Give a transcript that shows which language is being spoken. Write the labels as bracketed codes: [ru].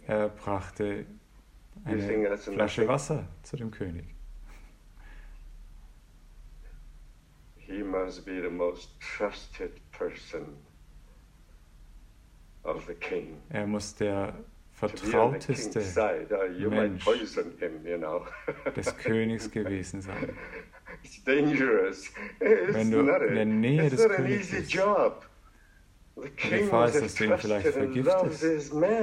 [de] Er brachte eine Flasche Wasser zu dem König. [en] He must be the most trusted person of the king. [de] Er muss der vertrauteste Mensch des Königs gewesen sein. [en] It's dangerous. [de] Wenn du in der Nähe des Königs bist, die Gefahr ist, dass du ihn vielleicht vergiftest.